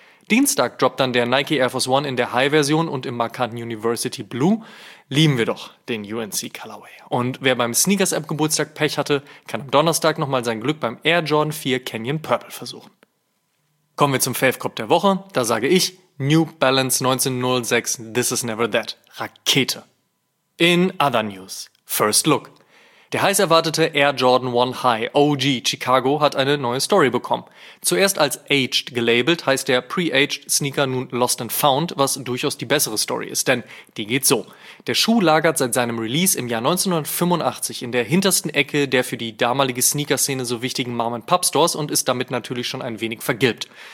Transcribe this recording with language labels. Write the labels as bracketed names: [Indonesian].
[German] Dienstag droppt dann der Nike Air Force 1 in der High-Version und im markanten University Blue. Lieben wir doch den UNC Colorway. Und wer beim Sneakers-App-Geburtstag Pech hatte, kann am Donnerstag nochmal sein Glück beim Air Jordan 4 Canyon Purple versuchen. Kommen wir zum Fave-Cop der Woche. Da sage ich, New Balance 1906, This Is Never That. Rakete. [English] In other news, first look. [German] Der heiß erwartete Air Jordan 1 High OG Chicago hat eine neue Story bekommen. Zuerst als Aged gelabelt, heißt der Pre-Aged Sneaker nun Lost and Found, was durchaus die bessere Story ist, denn die geht so. Der Schuh lagert seit seinem Release im Jahr 1985 in der hintersten Ecke der für die damalige Sneaker-Szene so wichtigen Mom-and-Pop-Stores und ist damit natürlich schon ein wenig vergilbt.